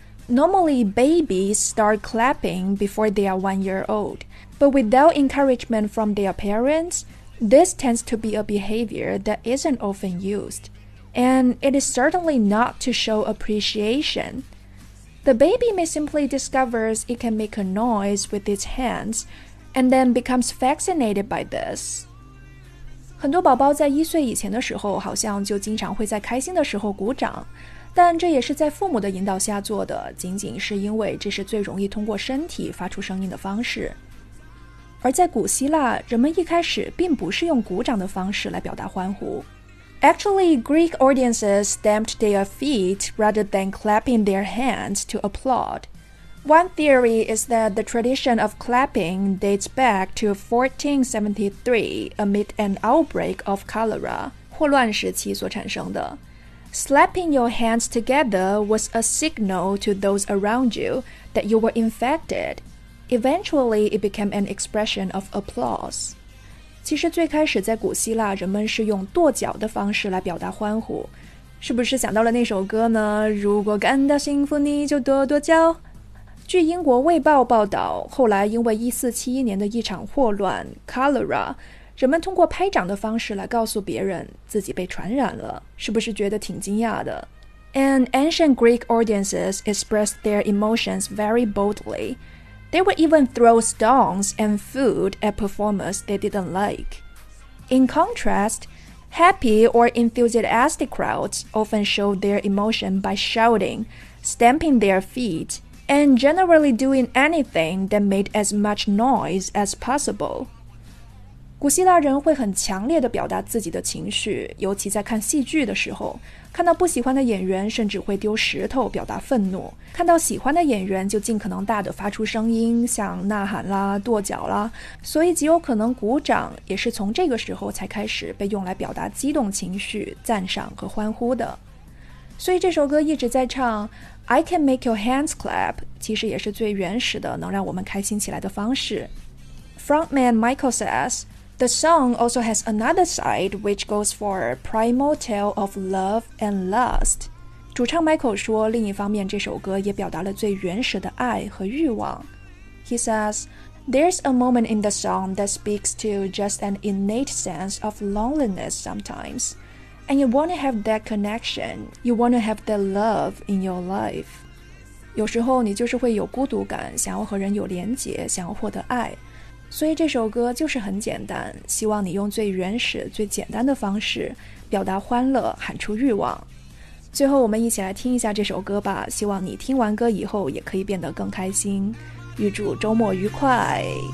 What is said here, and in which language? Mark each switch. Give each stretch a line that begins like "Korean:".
English: Normally babies start clapping before they are 1 year old, but without encouragement from their parents, this tends to be a behavior that isn't often used. And it is certainly not to show appreciation. The baby may simply discover it can make a noise with its hands, and then becomes fascinated by this.
Chinese: 很多宝宝在一岁以前的时候，好像就经常会在开心的时候鼓掌，但这也是在父母的引导下做的，仅仅是因为这是最容易通过身体发出声音的方式。而在古希腊，人们一开始并不是用鼓掌的方式来表达欢呼。
English: Actually, Greek audiences stamped their feet rather than clapping their hands to applaud. One theory is that the tradition of clapping dates back to 1473 amid an outbreak of cholera,
Chinese: 霍乱时期所产生的。
English: Slapping your hands together was a signal to those around you that you were infected. Eventually, it became an expression of applause.
Chinese: 其实最开始在古希腊，人们是用跺脚的方式来表达欢呼，是不是想到了那首歌呢？如果感到幸福，你就跺跺脚。据英国卫报报道，后来因为1471年的一场霍乱 cholera， 人们通过拍掌的方式来告诉别人自己被传染了，是不是觉得挺惊讶的？
English: And ancient Greek audiences expressed their emotions very boldly. They would even throw stones and food at performers they didn't like. In contrast, happy or enthusiastic crowds often showed their emotion by shouting, stamping their feet, and generally doing anything that made as much noise as possible.
Chinese: 古希腊人会很强烈地表达自己的情绪，尤其在看戏剧的时候，看到不喜欢的演员甚至会丢石头表达愤怒，看到喜欢的演员就尽可能大地发出声音，像呐喊啦、跺脚啦，所以极有可能鼓掌也是从这个时候才开始被用来表达激动情绪、赞赏和欢呼的。所以这首歌一直在唱
English: I can make your hands clap，
Chinese: 其实也是最原始的能让我们开心起来的方式。
English: Frontman Michael saysThe song also has another side which goes for a primal tale of love and lust.
Chinese: 主唱 Michael 说，另一方面这首歌也表达了最原始的爱和欲望。
English: He says, There's a moment in the song that speaks to just an innate sense of loneliness sometimes. And you want to have that connection, you want to have that love in your life.
Chinese: 有时候你就是会有孤独感，想要和人有连结，想要获得爱。所以这首歌就是很简单，希望你用最原始最简单的方式表达欢乐，喊出欲望。最后我们一起来听一下这首歌吧，希望你听完歌以后也可以变得更开心。预祝周末愉快。